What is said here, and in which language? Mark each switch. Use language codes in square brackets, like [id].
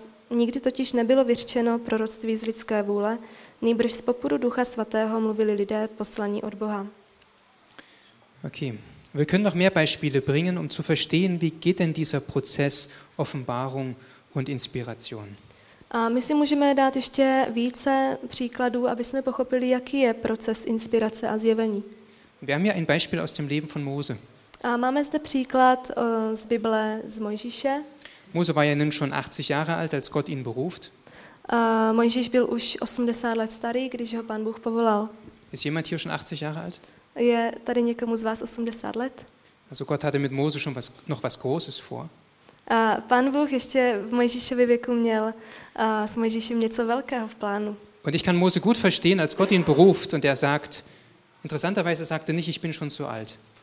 [cs] Nikdy totiž nebylo vyřčeno proroctví z lidské vůle, nýbrž z popudu Ducha Svatého mluvili lidé poslaní od Boha. Okay. [de] Wir können noch mehr Beispiele bringen, um zu verstehen, wie geht denn dieser Prozess Offenbarung und Inspiration. [cs] A my si můžeme dát ještě více příkladů, aby jsme pochopili, jaký je proces inspirace a zjevení. [de] Wir haben hier ein Beispiel aus dem Leben von Mose. [cs] A máme zde příklad z Bible z Mojžíše. [de] Mose war ja nun schon 80 Jahre alt, als Gott ihn beruft. [cs] Mojžíš byl už 80 let starý, když ho Pán Bůh povolal. [de] Ist jemand hier schon 80 Jahre alt? [cs] Je tady někomu z vás 80 let? [de] Also Gott hatte mit Mose schon noch was Großes vor. [cs] A Pán Bůh ještě v Mojžíšově věku měl a s Mojžíšem něco velkého v plánu. [de] Und ich kann Mose gut verstehen, als Gott ihn beruft und er sagt, interessanterweise sagte nicht, ich bin schon zu alt.